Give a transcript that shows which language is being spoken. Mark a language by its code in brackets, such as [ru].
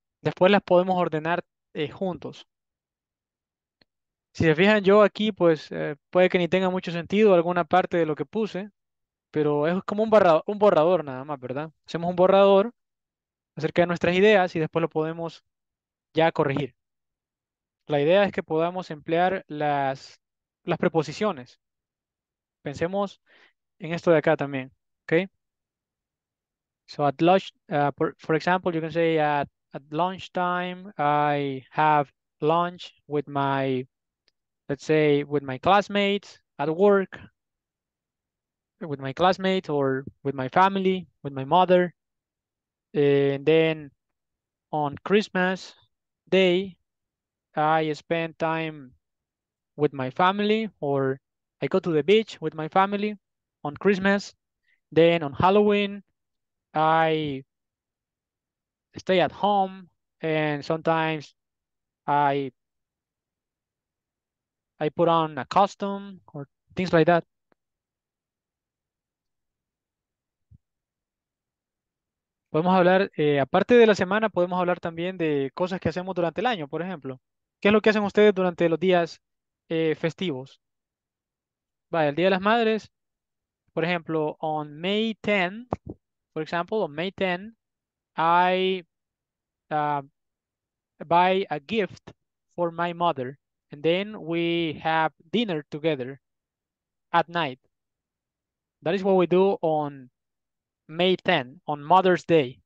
[es] Después las podemos ordenar juntos. Si se fijan yo aquí, pues puede que ni tenga mucho sentido alguna parte de lo que puse, pero es como un borrador nada más, ¿verdad? Hacemos un borrador acerca de nuestras ideas y después lo podemos ya corregir. La idea es que podamos emplear las preposiciones. Pensemos en esto de acá también, ¿ok? [en] So at lunch, for example, you can say at lunchtime, I have lunch with my, let's say, with my classmates at work, with my classmates or with my family, with my mother. And then on Christmas Day, I spend time with my family or I go to the beach with my family on Christmas. Then on Halloween, I stay at home and sometimes I put on a costume or things like that. [es] Podemos hablar, aparte de la semana, podemos hablar también de cosas que hacemos durante el año, por ejemplo. ¿Qué es lo que hacen ustedes durante los días festivos? Vale, el Día de las Madres, por ejemplo, [en] on May 10th. For example, on May 10, I buy a gift for my mother, and then we have dinner together at night. That is what we do on May 10, on Mother's Day.